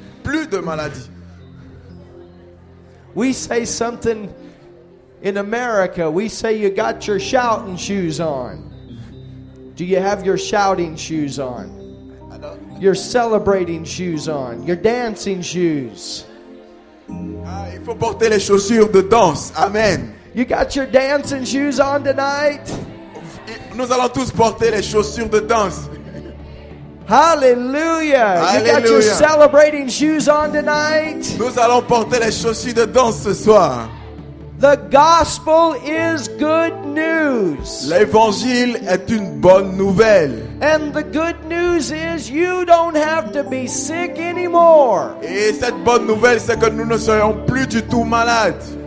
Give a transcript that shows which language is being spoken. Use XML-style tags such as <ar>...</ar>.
<fr>Plus de maladie.</fr> <en>We say something in America. We say you got your shouting shoes on. Do you have your shouting shoes on? Your celebrating shoes on. Your dancing shoes.</en> <fr>Ah, il faut porter les chaussures de danse. Amen.</fr> <en>You got your dancing shoes on tonight?</en> <fr>Nous allons tous porter les chaussures de danse. Hallelujah. Hallelujah!</fr> <en>You got your celebrating shoes on tonight.</en> <fr>Nous allons porter les chaussures de danse ce soir.</fr> <en>The gospel is good news.</en> <fr>L'évangile est une bonne nouvelle.</fr> <en>And the good news is you don't have to be sick anymore.</en> <fr>Et cette bonne nouvelle, c'est que nous ne serons plus du tout malades.</fr>